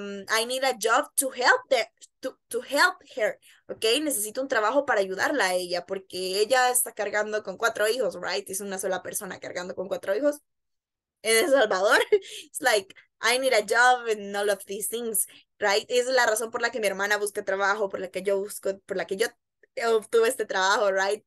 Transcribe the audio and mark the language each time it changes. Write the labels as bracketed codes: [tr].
[en] I need a job to help them. To help her, okay? [es] Necesito un trabajo para ayudarla a ella, porque ella está cargando con cuatro hijos, right? Es una sola persona cargando con cuatro hijos en El Salvador. [en] It's like, I need a job and all of these things, right? [es] Es la razón por la que mi hermana busca trabajo, por la que yo obtuve este trabajo, right?